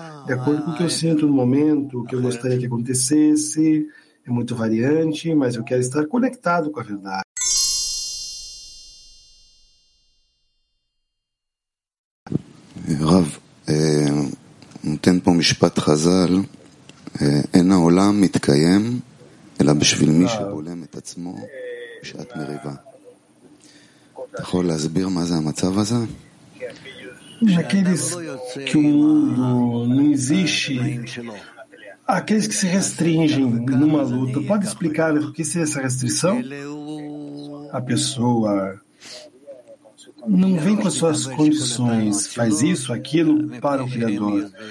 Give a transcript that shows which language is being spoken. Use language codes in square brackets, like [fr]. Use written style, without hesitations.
[pt] De acordo com o que eu sinto no momento, o que eu gostaria que acontecesse. É muito variante, mas eu quero estar conectado com a verdade. Rav, um tempo Mishpat Chazal. [he] אין העולם מתקיים אלא בשביל מי שבולם את עצמו בשעת מריבה. אתה יכול להסביר מה זה המצב הזה? [pt] Aqueles que o mundo não existe, aqueles que se restringem numa luta, pode explicar o que seria essa restrição? A pessoa não vem com as suas condições, faz isso, aquilo para o Criador.